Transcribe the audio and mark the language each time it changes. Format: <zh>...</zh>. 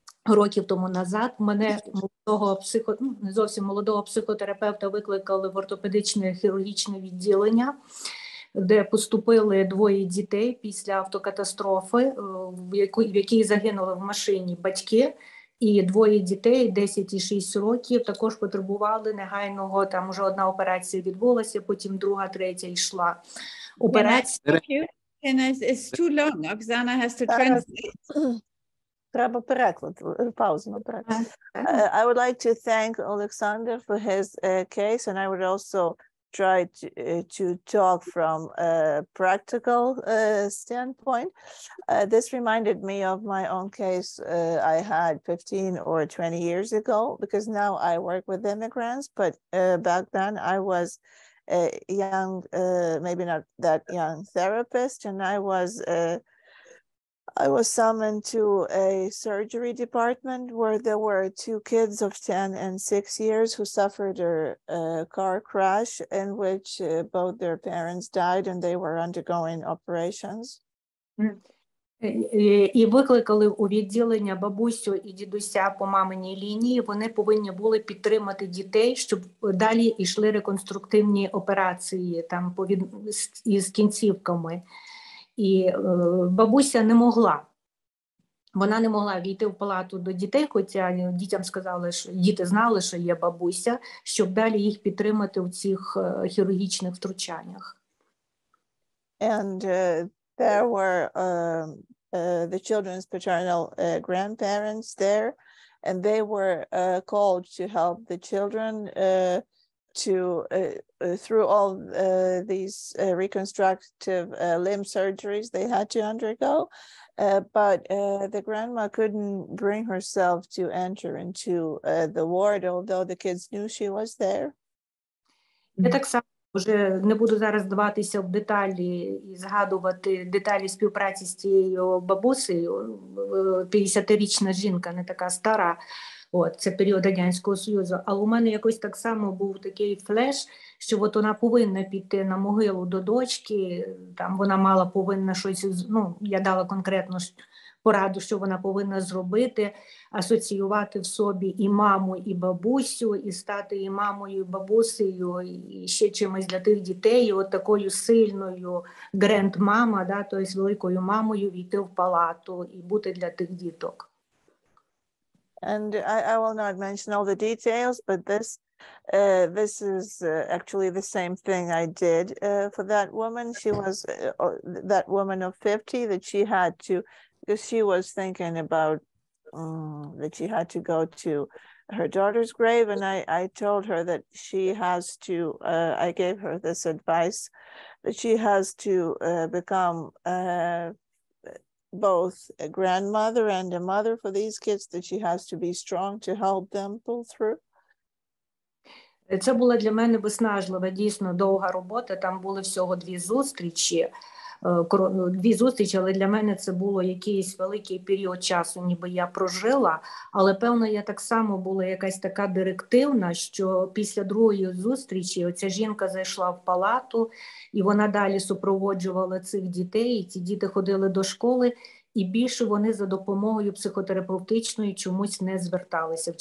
<uk>Років тому назад мене не зовсім молодого психотерапевта викликали в ортопедичне хірургічне відділення, де поступили двоє дітей після автокатастрофи, в якій загинули в машині батьки, і двоє дітей, 10 і 6 років, також потребували негайного, там уже одна операція відбулася, потім друга, третя йшла. Операція...</uk> <en>It's too long, Оксана has to translate.</en> <uk>Треба переклад, паузу на переклад.</uk> <en>I would like to thank Oleksandr for his case, and I would also try to talk from a practical standpoint. This reminded me of my own case I had 15 or 20 years ago, because now I work with immigrants, but back then I was a young, maybe not that young therapist, and I was summoned to a surgery department where there were two kids of 10 and 6 years who suffered a car crash in which both their parents died and they were undergoing operations.</en> <uk>І викликали у відділення бабусю і дідуся по маминій лінії. Вони повинні були підтримати дітей, щоб далі йшли реконструктивні операції там із кінцівками. І бабуся не могла, вона не могла війти в палату до дітей, хоча дітям сказали, що діти знали, що є бабуся, щоб далі їх підтримати в цих хірургічних втручаннях.</uk> <en>And there were the children's paternal grandparents there, and they were called to help the children to through all these reconstructive limb surgeries they had to undergo, but the grandma couldn't bring herself to enter into the ward, although the kids knew she was there.</en> <uk>Вже не буду зараз вдаватися в деталі і згадувати деталі співпраці з цією бабусею. 50-річна жінка, не така стара, от це період Радянського Союзу. Але у мене якось так само був такий флеш, що от вона повинна піти на могилу до дочки, там вона мала повинна щось, ну, я дала конкретно пораду, що вона повинна зробити, асоціювати в собі і маму, і бабусю, і стати і мамою, і бабусею, і ще чимось для тих дітей, от такою сильною грандмама, да, тобто великою мамою, війти в палату і бути для тих діток.</uk> <en>And I will not mention all the details, but this this is actually the same thing I did for that woman. She was that woman of 50 that she had to, because she was thinking about that she had to go to her daughter's grave, and I told her that she has to, I gave her this advice, that she has to become both a grandmother and a mother for these kids, that she has to be strong to help them pull through.</en> <uk>Це була для мене виснажлива, дійсно довга робота, там були всього дві зустрічі. Дві зустрічі, але для мене це було якийсь великий період часу, ніби я прожила, але певно я так само була якась така директивна, що після другої зустрічі оця жінка зайшла в палату, і вона далі супроводжувала цих дітей, і ці діти ходили до школи, і більше вони за допомогою психотерапевтичною чомусь не зверталися.</uk>